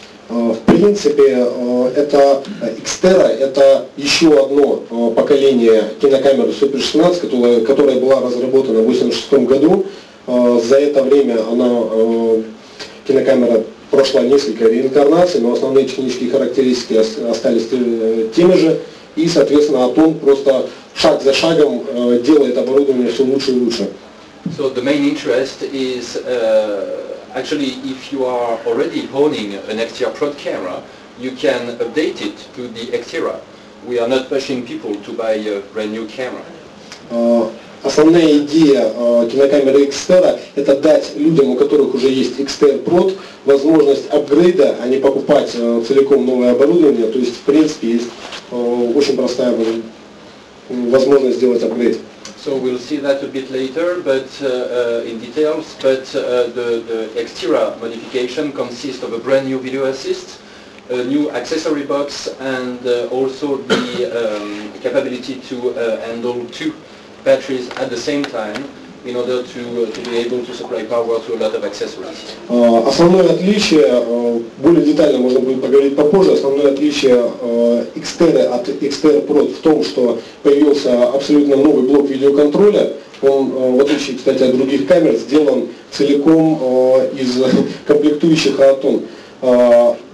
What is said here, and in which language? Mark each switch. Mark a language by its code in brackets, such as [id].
[ru] В принципе, это Xterra, это еще одно поколение кинокамеры Super 16, которая была разработана в 86 году. За это время она, кинокамера прошла несколько реинкарнаций, но основные технические характеристики остались теми же. И, соответственно, Aton просто шаг за шагом делает оборудование все лучше и лучше. [en] So the main interest is, actually, if you are already owning an Xterra Prod camera, you can update it to the Xterra. We are not pushing people to buy a brand new camera. [ru] Основная идея кинокамеры Xterra – это дать людям, у которых уже есть Xterra Prod, возможность апгрейда, а не покупать целиком новое оборудование. То есть, в принципе, есть очень простая возможность сделать апгрейд. [en] So we'll see that a bit later, but in details. But the Xterra modification consists of a brand new video assist, a new accessory box, and also the capability to handle 2 batteries at the same time, in order to be able to supply power to a lot of accessories. [ru] Основное отличие, более детально можно будет поговорить попозже. Основное отличие Xterra от Xterra Prod в том, что появился абсолютно новый блок видеоконтроля. Он, в отличие, кстати, от других камер, сделан целиком из комплектующих Aton.